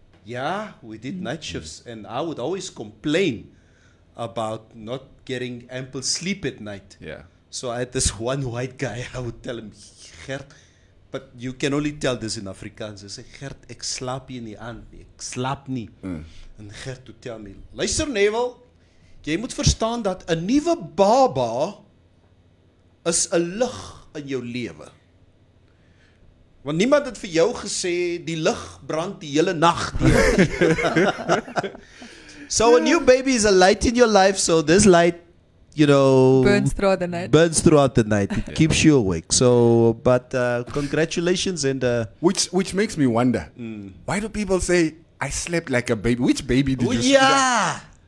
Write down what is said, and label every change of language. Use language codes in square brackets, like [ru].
[en] Yeah, we did night shifts. And I would always complain about not getting ample sleep at night. Yeah. So I had this one white guy, I would tell him, Gert, but you can only tell this in Afrikaans. I say, Gert, [af] ek slaap nie in die aand nie. Ek slaap nie. [en] And Gert would tell me, [af] luister Neville, jy moet verstaan dat 'n nuwe baba is 'n lig. in jou lewe. Want niemand het vir jou gesê die lig brand die hele nag deur. [en] So a new baby is a light in your life, so this light, you know, burns throughout the night. Burns throughout the night. It keeps you awake. So, but congratulations and which makes me wonder. Why do people say I slept like a baby? Which baby did you sleep?